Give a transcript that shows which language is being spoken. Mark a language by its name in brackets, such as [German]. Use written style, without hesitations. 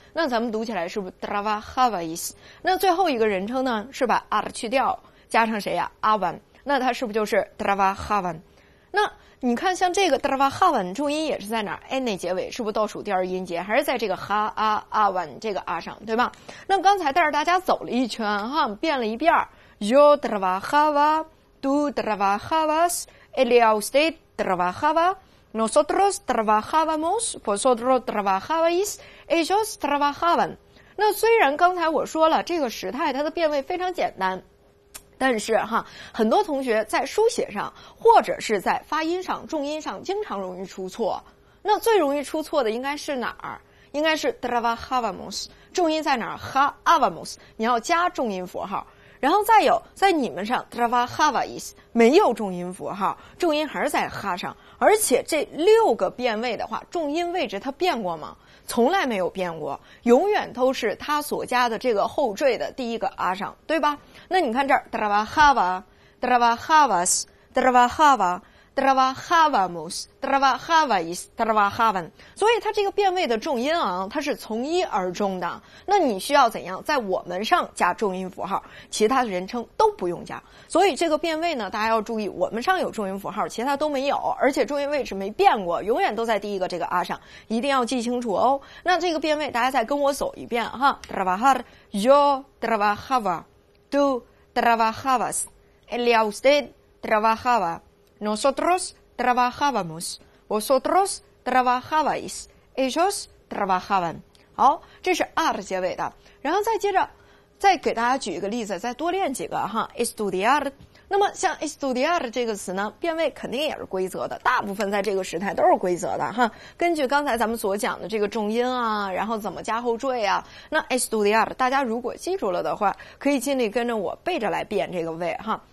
[Chinese] 那咱们读起来是不是 trabajabais？ 那最后一个人称呢，是把 ar 去掉加上谁啊？avan。那它是不是就是 trabajavan？ 那你看像这个 trabajaban 重音也是在哪儿？ ene 结尾，是不是倒数第二音节？还是在这个 ha a aban 这个 a 上，对吧？那刚才带着大家走了一圈哈，变了一遍 [Spanish] yo trabajaba tu trabajabas el y usted trabajaba nosotros trabajábamos vosotros trabajabais ellos trabajaban。 [Chinese] 那虽然刚才我说了这个时态它的变位非常简单，但是哈，很多同学在书写上或者是在发音上重音上经常容易出错。那最容易出错的应该是哪儿？应该是 trabajábamos， 重音在哪儿？ habamos， 你要加重音符号。然后再有在你们上 trabajabais 没有重音符号，重音还是在 ha 上。而且这六个变位的话，重音位置它变过吗？从来没有变过，永远都是它所加的这个后缀的第一个 a 上，对吧？那你看这儿 [Spanish] trabajaba trabajabas trabajaba trabajabamos trabajabais trabajaban， [Chinese] 所以它这个变位的重音啊，它是从一而终的。那你需要怎样在我们上加重音符号，其他的人称都不用加。所以这个变位呢，大家要注意，我们上有重音符号，其他都没有，而且重音位置没变过，永远都在第一个这个 a 上，一定要记清楚哦。那这个变位大家再跟我走一遍哈， [Spanish] trabajar yo trabajaba tú trabajabas él y usted trabajabaNosotros trabajábamos, vosotros trabajabais, ellos trabajaban。 [Chinese] 好，这是 ar 结尾的。然后再接着再给大家举一个例子，再多练几个哈。 estudiar， 那么像 estudiar 这个词呢，变位肯定也是规则的，大部分在这个时态都是规则的哈。根据刚才咱们所讲的这个重音啊，然后怎么加后缀啊，那 estudiar 大家如果记住了的话，可以尽力跟着我背着来变这个位哈。